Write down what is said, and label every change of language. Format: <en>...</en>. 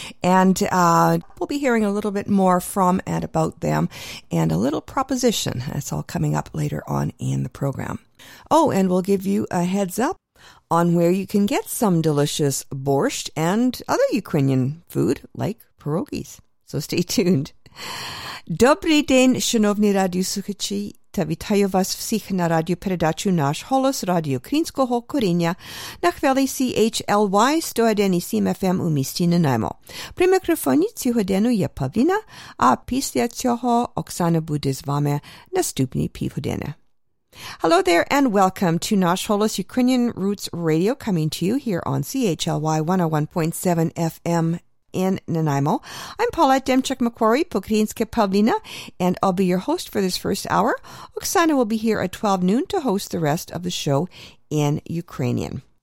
<en>And we'll be hearing a little bit more from and about them, and a little proposition. That's all coming up later on in the program. Oh, and we'll give you a heads up on where you can get some delicious borscht and other Ukrainian food like pierogies. So stay tuned.</en> <uk>Dobry den, shinovni radio sukhachi. Та вітаю вас всіх на радіопередачу «Наш голос» Радіо Українського коріння на хвилі CHLY 101.7 FM у місті Нанаймо. При мікрофоні цю годину є Павліна, а після цього Оксана буде з вами наступні півгодини.</uk> <en>Hello there and welcome to Nash Holos Ukrainian Roots Radio, coming to you here on CHLY 101.7 FM in Nanaimo. I'm Paulette Demchuk-McQuarrie, Pokrinske Pavlina, and I'll be your host for this first hour. Oksana will be here at 12 noon to host the rest of the show in Ukrainian.</en>